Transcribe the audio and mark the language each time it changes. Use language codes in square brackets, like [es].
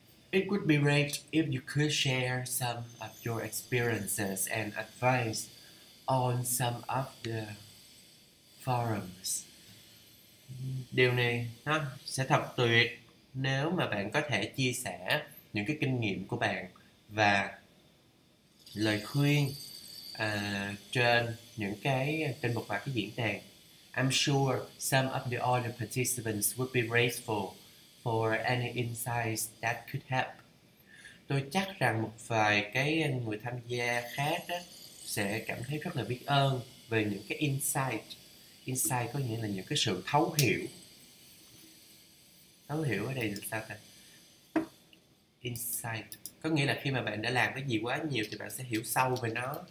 [en] It would be great if you could share some of your experiences and advice on some of the forums. [vi] Điều này ha, sẽ thật tuyệt nếu mà bạn có thể chia sẻ những cái kinh nghiệm của bạn và lời khuyên trên những cái trên một vài cái diễn đàn. [en] I'm sure some of the other participants would be grateful for any insights that could help. [vi] Tôi chắc rằng một vài cái người tham gia khác đó sẽ cảm thấy rất là biết ơn về những cái insight. Insight có nghĩa là những cái sự thấu hiểu. Thấu hiểu ở đây là sao ta? Insight có nghĩa là khi mà bạn đã làm cái gì quá nhiều thì bạn sẽ hiểu sâu về nó.